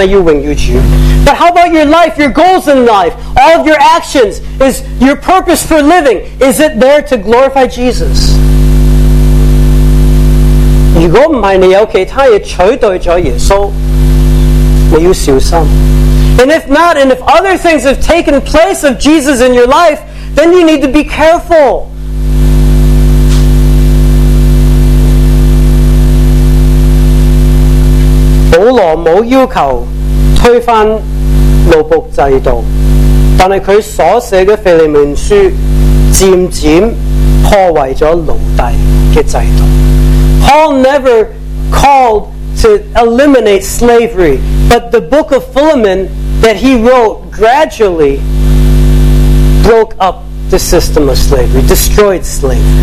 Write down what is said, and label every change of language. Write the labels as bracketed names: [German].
[English] But how about your life, your goals in life, all of your actions, is your purpose for living, is it there to glorify Jesus? [Chinese] 如果不是你有其他的取代了耶稣， 你要小心。 [English] And if not, and if other things have taken place of Jesus in your life, then you need to be careful. [Chinese] 保罗没有要求推翻奴仆制度， 但是他所写的腓利门书 渐渐破坏了奴隶的制度。 [English] Paul never called to eliminate slavery, but the book of Philemon that he wrote gradually broke up the system of slavery, destroyed slavery.